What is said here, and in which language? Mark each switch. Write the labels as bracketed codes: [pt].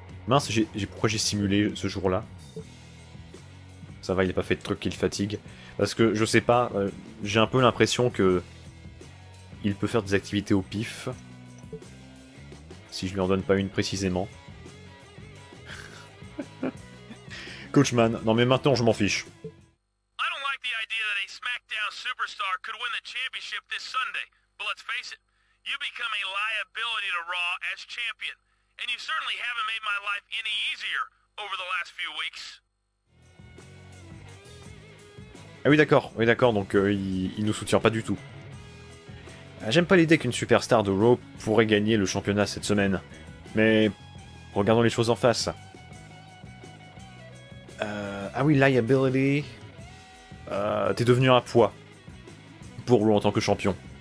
[fr] Mince, pourquoi j'ai simulé ce jour-là? Ça va, il n'a pas fait de truc qui le fatigue. Parce que, je sais pas, j'ai un peu l'impression que... il peut faire des activités au pif. Si je lui en donne pas une précisément. Coachman, non mais maintenant je m'en fiche. [en] I don't like the idea that a SmackDown superstar could win the championship this Sunday. But let's face it, you become a liability to Raw as champion. And you certainly haven't made my life any easier over the last few weeks. [fr] Ah oui d'accord, donc il nous soutient pas du tout. J'aime pas l'idée qu'une superstar de Raw pourrait gagner le championnat cette semaine. Mais regardons les choses en face. Ah oui, liability. T'es devenu un poids pour Raw en tant que champion.